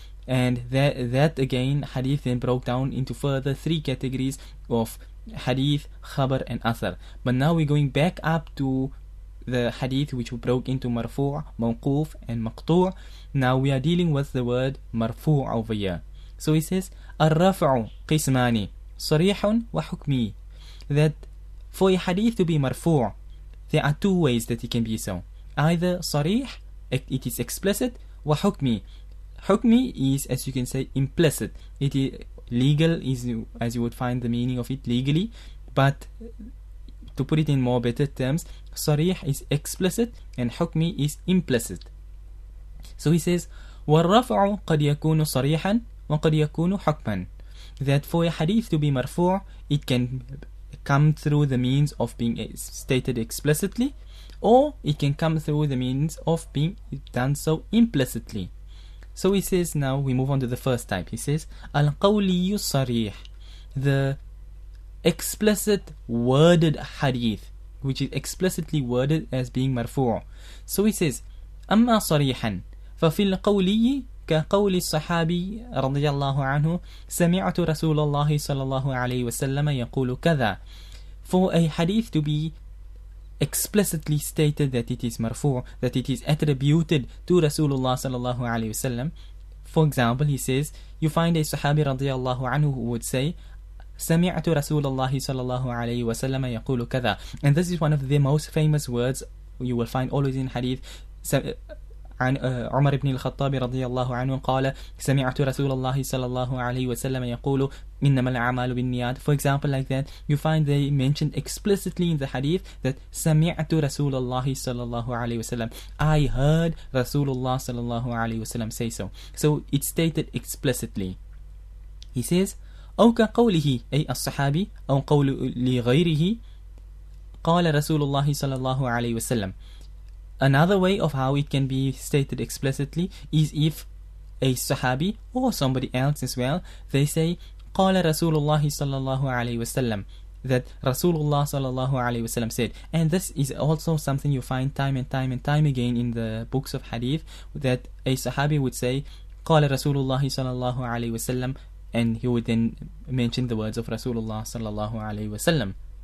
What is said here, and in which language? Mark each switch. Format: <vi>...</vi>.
<en>And that again, hadith then broke down into further three categories of hadith, khabar, and athar. But now we're going back up to the hadith which we broke into marfu', mawquf, and maqtu'. Now we are dealing with the word marfu' over here. So he says,</en> <ar>الرَّفْعُ قِسْمَانِ صَرِيحٌ وَحُكْمِي.</ar> <en>That for a hadith to be marfu', there are two ways that it can be so. Either sarih, it is explicit, wa hukmi. Hukmi is, as you can say, implicit. It is legal, is as you would find the meaning of it legally. But to put it in more better terms, sarih is explicit and hukmi is implicit. So he says,</en> <ar>وَالرَّفْعُ قَدْ يَكُونُ صَرِيحًا وَقَدْ يَكُونُ حُكْمًا.</ar> <en>That for a hadith to be marfu', it can come through the means of being stated explicitly, or it can come through the means of being done so implicitly. So he says, now we move on to the first type. He says, Al-Qawliyu Sarih, the explicit worded hadith, which is explicitly worded as being marfu'. So he says,</en> <ar>Amma Sarihan, Fafil Qawliyi كقول الصحابي رضي الله عنه سمعت رسول الله صلى الله عليه وسلم يقول كذا.</ar> <en>For a hadith to be explicitly stated that it is marfu', that it is attributed to Rasulullah صلى الله عليه وسلم, for example, he says, you find a صحابي رضي الله عنه who would say,</en> <ar>سمعت رسول الله صلى الله عليه وسلم يقول كذا.</ar> <en>And this is one of the most famous words you will find always in hadith.</en> <ar>عن عمر بن الخطاب رضي الله عنه قال سمعت رسول الله صلى الله عليه وسلم يقول إنما الأعمال بالنيات.</ar> <en>For example, like that, you find they mentioned explicitly in the hadith that</en> <ar>سمعت رسول الله صلى الله عليه وسلم.</ar> <en>I heard رسول الله صلى الله عليه وسلم say so. So it's stated explicitly. He says,</en> <ar>أو كقوله أي الصحابي أو قول لغيره قال رسول الله صلى الله عليه وسلم.</ar> <en>Another way of how it can be stated explicitly is if a sahabi or somebody else as well, they say,</en> <ar>قال رسول الله صلى الله عليه وسلم,</ar> <en>that Rasulullah صلى الله عليه وسلم said. And this is also something you find time and time and time again in the books of hadith, that a sahabi would say,</en> <ar>قال رسول الله صلى الله عليه وسلم,</ar> <en>and he would then mention the words of Rasulullah صلى الله عليه وسلم.</en>